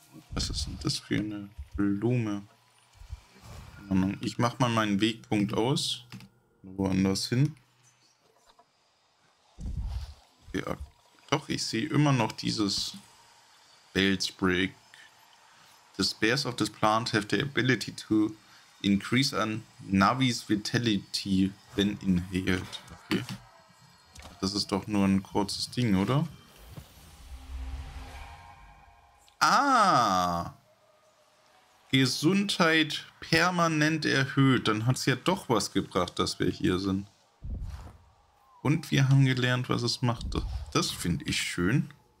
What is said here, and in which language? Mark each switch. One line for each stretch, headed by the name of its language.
German: Was ist denn das für eine Blume? Ich mach mal meinen Wegpunkt aus. Woanders hin. Ja, doch, ich sehe immer noch dieses Beltsbrick.
English: The spares of this plant have the ability to increase an Navi's Vitality when inhaled. Okay.
German: Das ist doch nur ein kurzes Ding, oder? Ah! Gesundheit permanent erhöht. Dann hat es ja doch was gebracht, dass wir hier sind. Und wir haben gelernt, was es macht. Das finde ich schön.